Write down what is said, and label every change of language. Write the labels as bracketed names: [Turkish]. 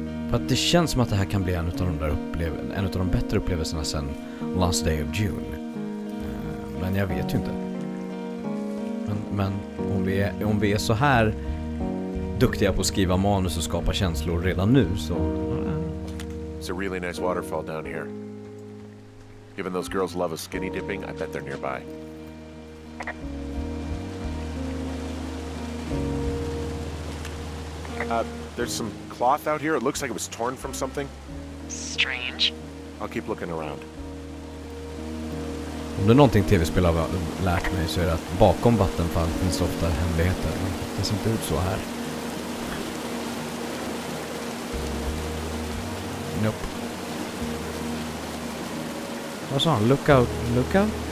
[Swedish] För att det känns som att det här kan bli en av de där en av de bättre upplevelserna sen Last Day of June. Men jag vet ju inte. Men om vi är så här duktiga på att skriva manus och skapa känslor redan nu så. [English] It's a really nice waterfall down here. Given those girls love a skinny dipping, I bet they're nearby. There's some cloth out here. It looks like it was torn from something. Strange. I'll keep looking around. [Swedish] Om det är någonting tv-spel har lärt mig så är det att bakom vattenfall finns ofta hemligheter. Det ser inte ut så här. [English] Nope. [Swedish] Vad sa han? [English] Look out, look out.